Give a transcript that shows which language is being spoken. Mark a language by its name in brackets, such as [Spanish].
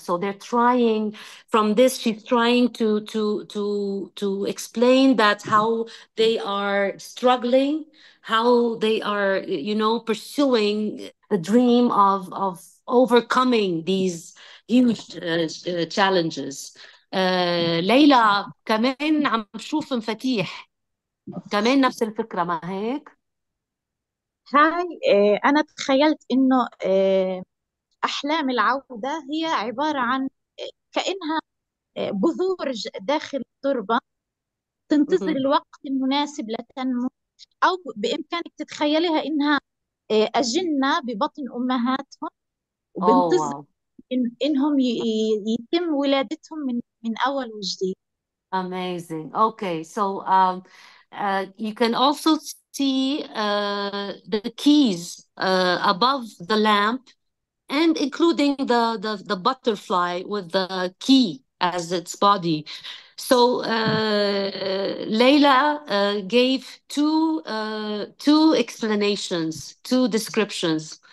[English] So they're trying from this, she's trying to explain that how they are struggling, how they are, you know, pursuing the dream of overcoming these huge challenges. [Arabic] ليلى كمان عم بشوف مفاتيح، كمان نفس الفكرة، ما هيك؟ هاي أنا تخيلت إنه أحلام العودة هي عبارة عن كأنها بذور داخل التربة تنتظر الوقت المناسب لتنمو، أو بإمكانك تتخيلها إنها أجنة ببطن أمهاتهم أوه واو وبنتظر إنهم يتم ولادتهم من أول وجديد. [English] Amazing. Okay, so you can also see the keys above the lamp, and including the butterfly with the key as its body. So Leila gave two explanations, two descriptions.